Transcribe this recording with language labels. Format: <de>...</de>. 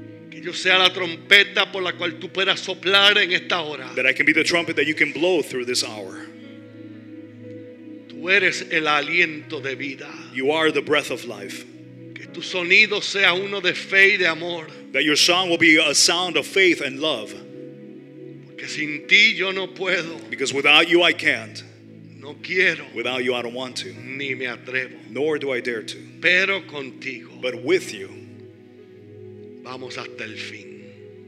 <es>Yo sea la trompeta por la cual tú puedas soplar en esta hora.</es> <en>That I can be the trumpet that you can blow through this hour.</en> <es>Tú eres el aliento de vida.</es> <en>You are the breath of life.</en> <es>Que tu sonido sea uno de fe y de amor.</es> <en>That your song will be a sound of faith and love.</en> <es>Porque sin ti yo no puedo.</es> <en>Because without you I can't.</en> <es>No quiero.</es> <en>Without you I don't want to.</en> <es>Ni me atrevo.</es> <en>Nor do I dare to.</en> <es>Pero contigo.</es> <en>But with you.</en> <es>Vamos hasta el fin.</es>